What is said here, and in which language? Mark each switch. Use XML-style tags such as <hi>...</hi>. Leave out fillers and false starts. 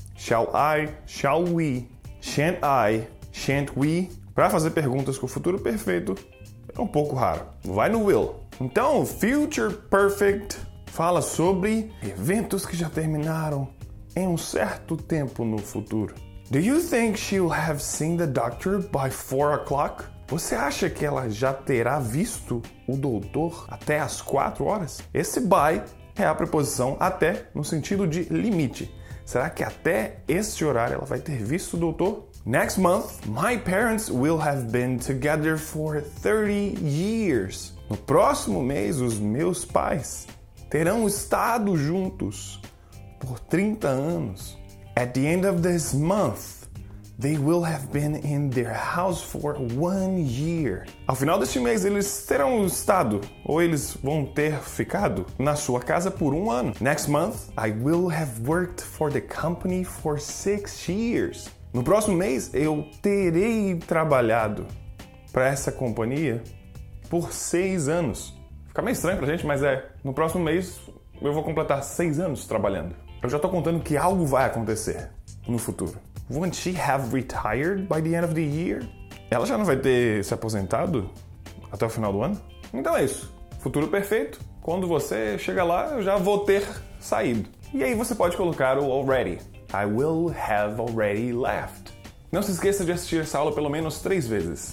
<en>Shall I, shall we, shan't I, shan't we?</en> <pt>Para fazer perguntas com o futuro perfeito, é um pouco raro. Vai no will. Então, future perfect fala sobre eventos que já terminaram em um certo tempo no futuro.</pt> <en>Do you think she'll have seen the doctor by 4 o'clock?</en> <pt>Você acha que ela já terá visto o doutor até as 4 horas? Esse by é a preposição até no sentido de limite. Será que até este horário ela vai ter visto o doutor?</pt> <en>Next month, my parents will have been together for 30 years.</en> <pt>No próximo mês, os meus pais terão estado juntos por 30 anos.</pt> <en>At the end of this month, they will have been in their house for 1 year.</en> <pt>Ao final deste mês, eles terão estado, ou eles vão ter ficado, na sua casa por 1 ano.</pt> <en>Next month, I will have worked for the company for 6 years.</en> <pt>No próximo mês, eu terei trabalhado para essa companhia por 6 anos. Fica meio estranho pra gente, mas é. No próximo mês, eu vou completar 6 anos trabalhando. Eu já tô contando que algo vai acontecer no futuro.</pt> <en>Won't she have retired by the end of the year?</en> <pt>Ela já não vai ter se aposentado até o final do ano? Então é isso. Futuro perfeito. Quando você chega lá, eu já vou ter saído. E aí você pode colocar o already.</pt> <en>I will have already left.</en> <pt>Não se esqueça de assistir essa aula pelo menos 3 vezes.</pt>